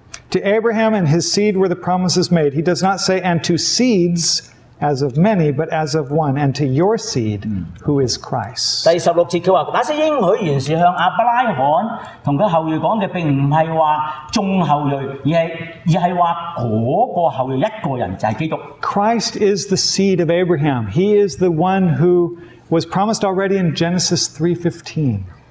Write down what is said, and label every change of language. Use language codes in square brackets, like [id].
[en] To Abraham and his seed were the promises made. He does not say, and to seeds as of many, but as of one, and to your seed, who is Christ. [zh] 第十六節,他說,那些應許原是向亞伯拉罕和他後裔說的,並不是說眾後裔,而是說那個後裔一個人,就是基督。 [en] Christ is the seed of Abraham. He is the one who was promised already in Genesis 3:15.